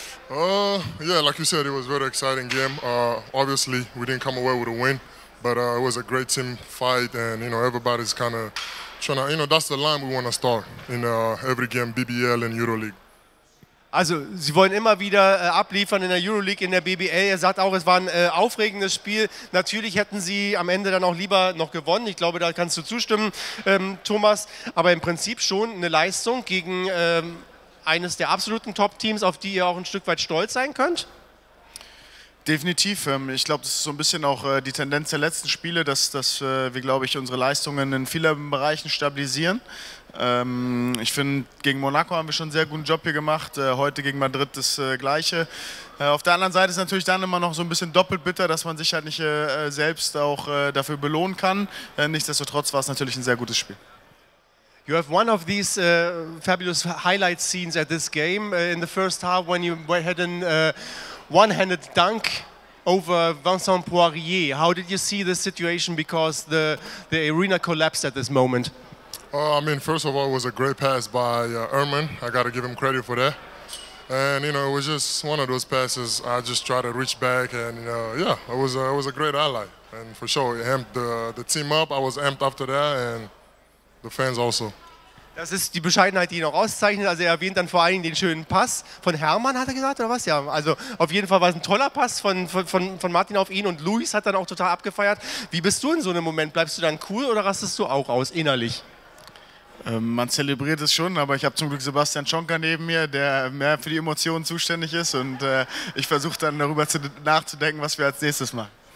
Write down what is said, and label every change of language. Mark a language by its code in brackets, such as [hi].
[en] Yeah, like you said, it was a very exciting game. Obviously, we didn't come away with a win, but it was a great team fight, and you know, everybody's kind of trying to, you know, that's the line we want to start in every game, BBL and EuroLeague. [de] Also, sie wollen immer wieder abliefern in der EuroLeague, in der BBL. Er sagt auch, es war ein aufregendes Spiel. Natürlich hätten sie am Ende dann auch lieber noch gewonnen. Ich glaube, da kannst du zustimmen, Thomas. Aber im Prinzip schon eine Leistung gegen eines der absoluten Top-Teams, auf die ihr auch ein Stück weit stolz sein könnt? Definitiv. Ich glaube, das ist so ein bisschen auch die Tendenz der letzten Spiele, dass wir, glaube ich, unsere Leistungen in vielen Bereichen stabilisieren. Ich finde, gegen Monaco haben wir schon einen sehr guten Job hier gemacht. Heute gegen Madrid das Gleiche. Auf der anderen Seite ist natürlich dann immer noch so ein bisschen doppelt bitter, dass man sich halt nicht selbst auch dafür belohnen kann. Nichtsdestotrotz war es natürlich ein sehr gutes Spiel. [en] You have one of these fabulous highlight scenes at this game in the first half when you had a one-handed dunk over Vincent Poirier. How did you see the situation because the arena collapsed at this moment? I mean, first of all, it was a great pass by Erman. I got to give him credit for that. And, you know, it was just one of those passes. I just tried to reach back and, yeah, it was a great ally. And for sure, it amped the team up. I was amped after that and the fans also. [de] Das ist die Bescheidenheit, die ihn auch auszeichnet. Also er erwähnt dann vor allen Dingen den schönen Pass von Hermann, hat er gesagt, oder was? Ja, also auf jeden Fall war es ein toller Pass von Martin auf ihn und Luis hat dann auch total abgefeiert. Wie bist du in so einem Moment? Bleibst du dann cool oder rastest du auch aus innerlich? Man zelebriert es schon, aber ich habe zum Glück Sebastian Czonka neben mir, der mehr für die Emotionen zuständig ist und ich versuche dann darüber nachzudenken, was wir als nächstes machen.